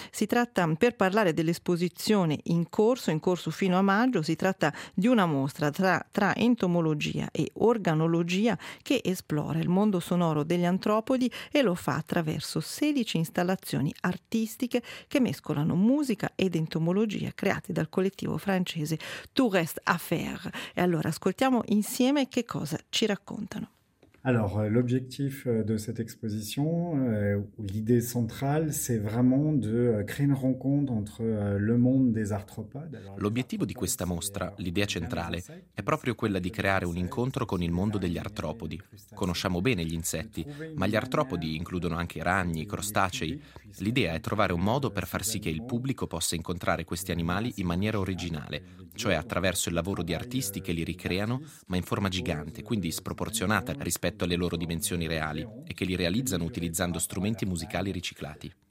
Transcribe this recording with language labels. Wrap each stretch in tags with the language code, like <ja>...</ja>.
<it>Si tratta, per parlare dell'esposizione in corso fino a maggio, si tratta di una mostra tra entomologia e organologia che esplora il mondo sonoro degli antropodi e lo fa attraverso 16 installazioni artistiche che mescolano musica ed entomologia create dal collettivo francese Tout reste à faire. E allora ascoltiamo insieme che cosa ci raccontano.</it> <fr>Alors, l'objectif de cette exposition, l'idée centrale, c'est vraiment de créer une rencontre entre le monde des arthropodes.</fr> <it>L'obiettivo di questa mostra, l'idea centrale, è proprio quella di creare un incontro con il mondo degli artropodi. Conosciamo bene gli insetti, ma gli artropodi includono anche ragni, crostacei. L'idea è trovare un modo per far sì che il pubblico possa incontrare questi animali in maniera originale, cioè attraverso il lavoro di artisti che li ricreano, ma in forma gigante, quindi sproporzionata rispetto alle loro dimensioni reali, e che li realizzano utilizzando strumenti musicali riciclati.</it>